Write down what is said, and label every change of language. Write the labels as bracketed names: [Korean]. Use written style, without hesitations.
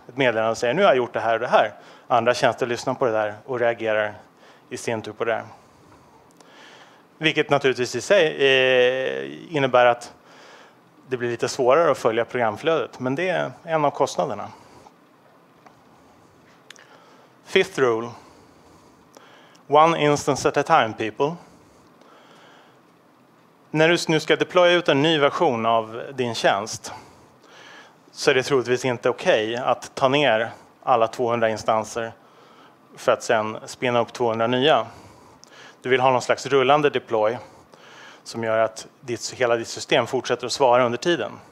[Swedish] Ett meddelande och säger, nu har jag gjort det här och det här. Andra tjänster lyssnar på det där och reagerar i sin tur på det. Vilket naturligtvis i sig innebär att det blir lite svårare att följa programflödet. Men det är en av kostnaderna. [English] Fifth rule. One instance at a time, people. [Swedish] När du nu ska deploya ut en ny version av din tjänst så är det troligtvis inte okej att ta ner alla 200 instanser för att sen spinna upp 200 nya. Du vill ha någon slags rullande deploy som gör att hela ditt system fortsätter att svara under tiden.